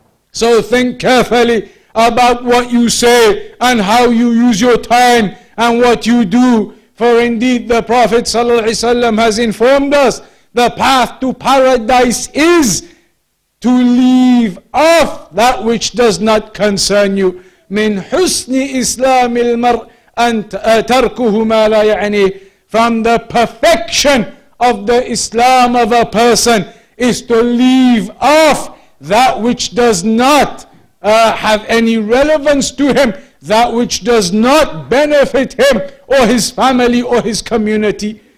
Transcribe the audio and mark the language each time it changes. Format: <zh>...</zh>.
<en>So think carefully about what you say and how you use your time and what you do. For indeed the Prophet ﷺ has informed us, the path to paradise is to leave off that which does not concern you.</en> <ar>من حسن إسلام المرء أن تركه ما لا يعني.</ar> <en>From the perfection of the Islam of a person is to leave off that which does not have any relevance to him, that which does not benefit him or his family or his community.</en>